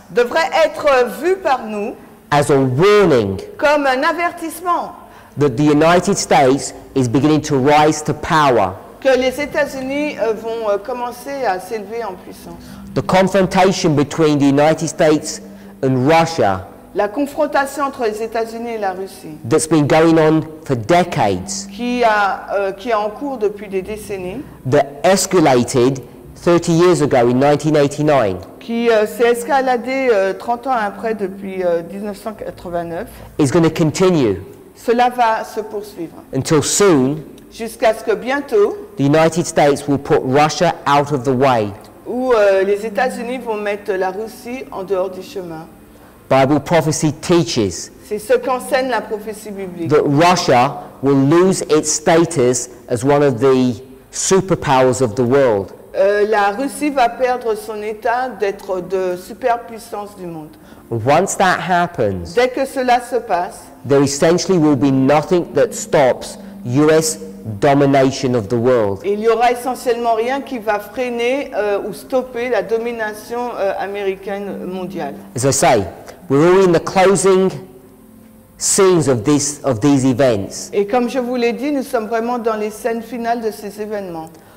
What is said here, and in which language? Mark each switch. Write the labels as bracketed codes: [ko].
[fr] devrait être vu par nous, [en] as a warning, [fr] comme un avertissement, [en] that the United States is beginning to rise to power, [fr] que les États-Unis vont commencer à s'élever en puissance. [en] The confrontation between the United States and Russia, [fr] La confrontation entre les États-Unis et la Russie. [en] That's been going on for decades. [fr] Qui est en cours depuis des décennies. [en] That escalated 30 years ago in 1989. [fr] Qui s'est escaladé 30 ans après depuis 1989. [en] Is going to continue. [fr] Cela va se poursuivre. [en] Until soon. [fr] Jusqu'à ce que bientôt. [en] The United States will put Russia out of the way. [fr] Où les États-Unis vont mettre la Russie en dehors du chemin. [en] Bible prophecy teaches. [fr] C'est ce qu'enseigne la prophétie biblique. [en] That Russia will lose its status as one of the superpowers of the world. [fr] La Russie va perdre son état d'être de superpuissance du monde. [en] Once that happens. [fr] Dès que cela se passe. [en] There essentially will be nothing that stops U.S. domination of the world. [fr] Il y aura essentiellement rien qui va freiner ou stopper la domination américaine mondiale. [en] As I say, we're all in the closing scenes of these events. [fr] Et comme je vous l'ai dit, nous sommes vraiment dans les scènes finales de ces événements.